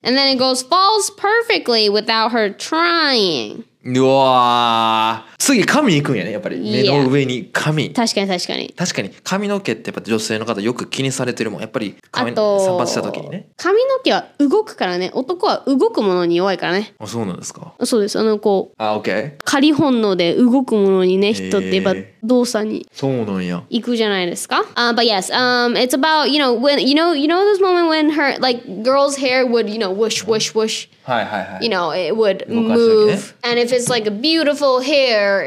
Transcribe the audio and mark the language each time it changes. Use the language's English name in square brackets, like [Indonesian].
[English] And then it goes falls perfectly without her trying. [Japanese] うわー。次髪行くんやね。やっぱり目の上に髪。 Yeah. 確かに確かに。確かに髪の毛ってやっぱ女性の方よく気にされてるもん。やっぱり髪散髪した時にね。髪の毛は動くからね。男は動くものに弱いからね。あ、そうなんですか。そうです。こう。あ、OK。仮本能で動くものにね、人ってやっぱ動作に。そうなんや。行くじゃないですか。 [English] But yes, it's about you know when you know those moment when her like girls' hair would you know whoosh whoosh whoosh. [Japanese] はいはいはい。 [English] You know it would move、ね、and if it's like a beautiful hair.